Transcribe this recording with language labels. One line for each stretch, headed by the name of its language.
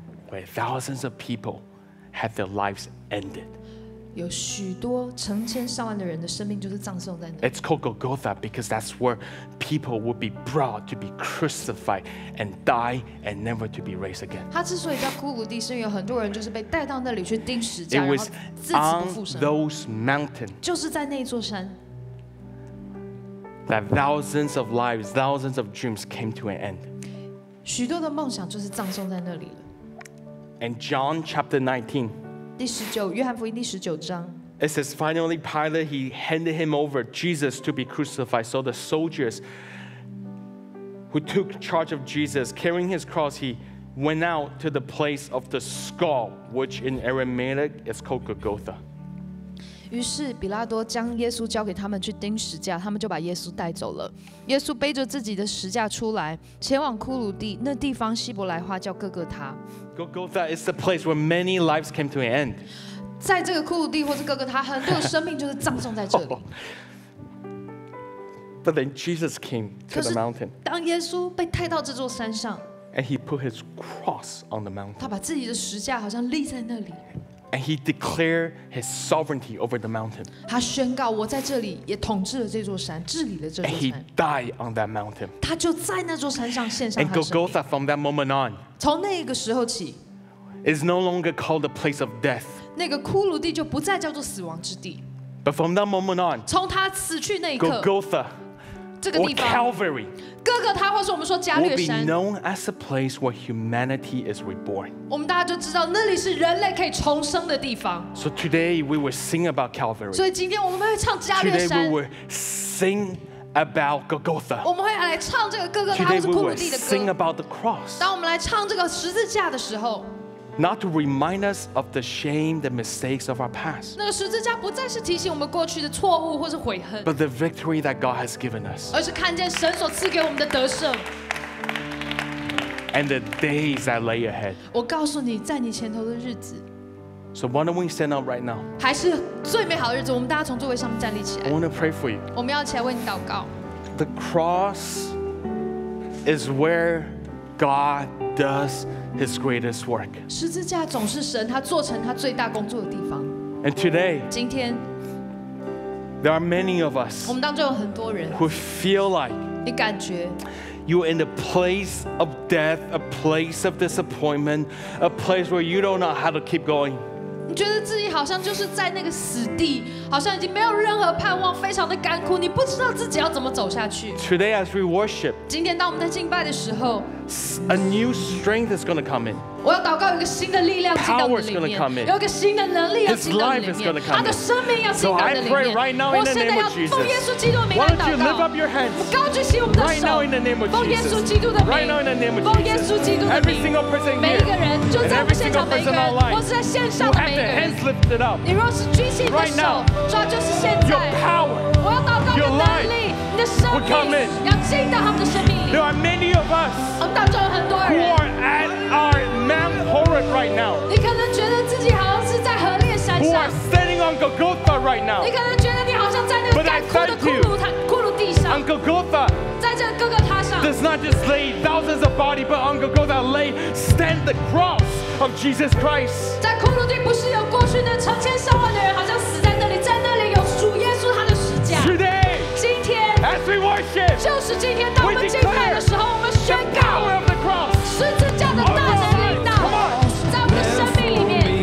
English: where thousands of people had their lives ended.
Chinese: 有许多成千上万的人的生命就是葬送在那里。
English: It's called Golgotha because that's where people would be brought to be crucified and die and never to be raised again.
Chinese: 它之所以叫枯骨地，是因为有很多人就是被带到那里去钉十字架，然后自此不复生。
English: It was on those mountains.
Chinese: 就是在那座山。
English: That thousands of lives, thousands of dreams came to an end.
Chinese: 许多的梦想就是葬送在那里了。
English: And John chapter 19.
Chinese: 第十九，约翰福音第十九章。
English: It says, finally, Pilate he handed him over Jesus to be crucified. So the soldiers who took charge of Jesus, carrying his cross, he went out to the place of the skull, which in Aramaic is called Golgotha.
Chinese: 于是比拉多将耶稣交给他们去钉十架，他们就把耶稣带走了。耶稣背着自己的十架出来，前往骷髅地，那地方希伯来话叫哥哥他。
English: Golgotha is the place where many lives came to an end.
Chinese: 在这个骷髅地或是哥哥他，很多生命就是葬送在这里。
English: But then Jesus came to the mountain.
Chinese: 当耶稣被带到这座山上
English: ，and he put his cross on the mountain.
Chinese: 他把自己的十架好像立在那里。
English: And he declared his sovereignty over the mountain.
Chinese: 他宣告我在这里也统治了这座山，治理了这座山。
English: And he died on that mountain.
Chinese: 他就在那座山上献上他的生命。
English: And Golgotha, from that moment on,
Chinese: 从那个时候起
English: is no longer called the place of death.
Chinese: 那个骷髅地就不再叫做死亡之地。
English: But from that moment on,
Chinese: 从他死去那一刻
English: ，Golgotha,
Chinese: 这个地方
English: or Calvary,
Chinese: 哥哥他或是我们说加略山
English: will be known as a place where humanity is reborn.
Chinese: 我们大家就知道那里是人类可以重生的地方。
English: So today we will sing about Calvary.
Chinese: 所以今天我们会唱加略山。
English: Today we will sing about Golgotha.
Chinese: 我们会来唱这个哥哥他或是骷髅地的歌。
English: Today we will sing about the cross.
Chinese: 当我们来唱这个十字架的时候。
English: Not to remind us of the shame, the mistakes of our past.
Chinese: 那个十字架不再是提醒我们过去的错误或是悔恨。
English: But the victory that God has given us.
Chinese: 而是看见神所赐给我们的得胜。
English: And the days that lay ahead.
Chinese: 我告诉你，在你前头的日子。
English: So why don't we stand up right now?
Chinese: 还是最美好的日子，我们大家从座位上面站立起来。
English: I want to pray for you.
Chinese: 我们要起来为你祷告。
English: The cross is where God does His greatest work.
Chinese: 十字架总是神他做成他最大工作的地方。
English: And today,
Chinese: 今天
English: there are many of us
Chinese: 我们当中有很多人
English: who feel like
Chinese: 你感觉
English: you're in a place of death, a place of disappointment, a place where you don't know how to keep going.
Chinese: 你觉得自己好像就是在那个死地，好像已经没有任何盼望，非常的干枯，你不知道自己要怎么走下去。
English: Today, as we worship,
Chinese: 今天当我们在敬拜的时候。
English: A new strength is going to come in.
Chinese: 我要祷告有个新的力量进到你里面。
English: Power is going to come in.
Chinese: 有个新的能力要进到你里面。
English: His life is going to come in.
Chinese: 他的生命要进到你里面。
English: So I pray right now in the name of Jesus.
Chinese: 我现在要奉耶稣基督的名祷告。
English: Why don't you lift up your hands?
Chinese: 我们高举起我们的手。
English: Right now in the name of Jesus.
Chinese: 奉耶稣基督的名。
English: Right now in the name of Jesus.
Chinese: 奉耶稣基督的名。
English: Every single person here.
Chinese: 每一个人就在我们现场每一个人，或是在线上的每一个人。
English: You have the hands lifted up.
Chinese: 你若是举起你的手，抓就是现在。
English: Your power.
Chinese: 我要祷告的能力。你的生命。
English: Will come in.
Chinese: 要进到他们的生命里。
English: There are many of us.
Chinese: 我们当中有很多人。
English: Who are at our Mount Horeb right now?
Chinese: 你可能觉得自己好像是在何烈山上。
English: Who are standing on Golgotha right now?
Chinese: 你可能觉得你好像在那个干枯的骷髅地上。
English: On Golgotha.
Chinese: 在这个哥哥他上。
English: Does not just lay thousands of bodies, but on Golgotha lay stand the cross of Jesus Christ.
Chinese: 在骷髅地不是有过去那成千上万的人好像死在那里，在那里有主耶稣他的十字架。
English: Today. As we worship,
Chinese: 就是今天当我们敬拜的时候，我们宣告
English: the power of the cross,
Chinese: 十字架的大能力大在我们的生命里面。